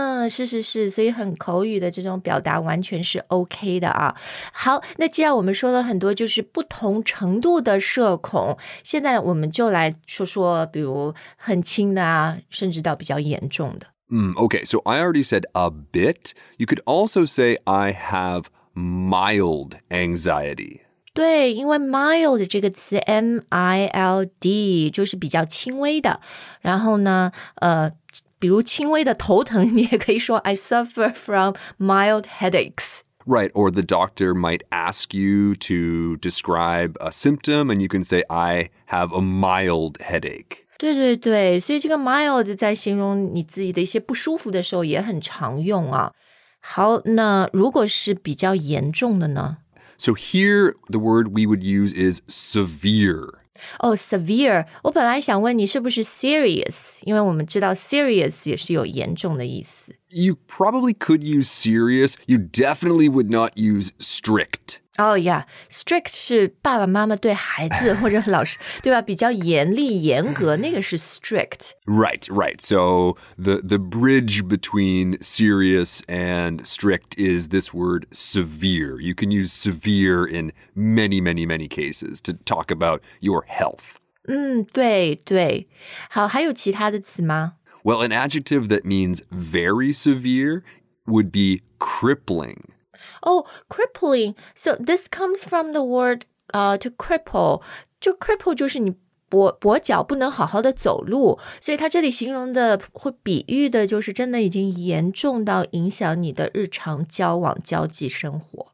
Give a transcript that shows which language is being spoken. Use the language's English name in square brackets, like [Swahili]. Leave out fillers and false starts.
[Chinese] 是是是，所以很口语的这种表达完全是 OK 的啊。好，那既然我们说了很多就是不同程度的社恐，现在我们就来说说，比如很轻的啊，甚至到比较严重的。 [English] Okay, so I already said a bit. You could also say I have mild anxiety. [Chinese] 对，因为 mild 这个词 M-I-L-D 就是比较轻微的，然后呢，比如轻微的头疼，你也可以说 [English] I suffer from mild headaches. Right, or the doctor might ask you to describe a symptom, and you can say I have a mild headache. [Chinese] 对对对，所以这个 mild 在形容你自己的一些不舒服的时候也很常用啊。好，那如果是比较严重的呢？ [English] So here, the word we would use is severe. [Chinese] Oh, severe. 我本来想问你是不是 serious, 因为我们知道 serious 也是有严重的意思。 [English] You probably could use serious. You definitely would not use strict. [Chinese] Oh, yeah. Strict 是爸爸妈妈对孩子或者老师对吧比较严厉严格那个是 strict. [English] Right, right. So the bridge between serious and strict is this word severe. You can use severe in many, many, many cases to talk about your health. [Chinese] 对对。好还有其他的词吗 [English] Well, an adjective that means very severe would be crippling. Oh, crippling. So this comes from the word to cripple. [Chinese] 就 cripple 就是你跛脚不能好好的走路，所以它这里形容的会比喻的就是真的已经严重到影响你的日常交往交际生活。